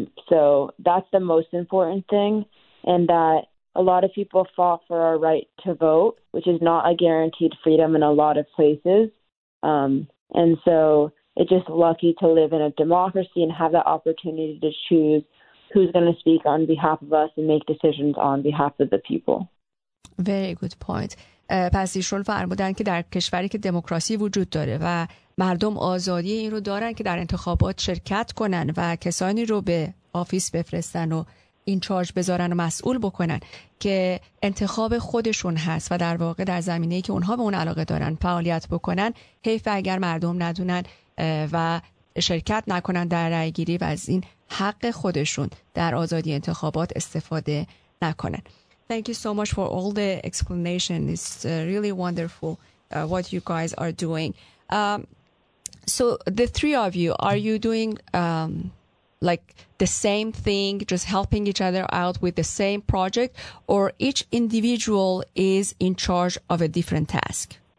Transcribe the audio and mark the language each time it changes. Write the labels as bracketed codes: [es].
[en] So that's the most important thing. And that a lot of people fought for our right to vote, which is not a guaranteed freedom in a lot of places. And so it's just lucky to live in a democracy and have that opportunity to choose who's going to speak on behalf of us and make decisions on behalf of the people. Very good point. [fa] پس ایشون فرمودن که در کشوری که دموکراسی وجود داره و مردم آزادی این رو دارن که در انتخابات شرکت کنن و کسانی رو به آفیس بفرستن و این چارج بذارن و مسئول بکنن که انتخاب خودشون هست و در واقع در زمینه‌ای که اونها به اون علاقه دارن فعالیت بکنن، حیف اگر مردم ندونن و شرکت نکنن در رأی گیری و از این حق خودشون در آزادی انتخابات استفاده نکنن. [en] Thank you so much for all the explanation. It's really wonderful what you guys are doing. So the three of you, are you doing like the same thing, just helping each other out with the same project, or each individual is in charge of a different task?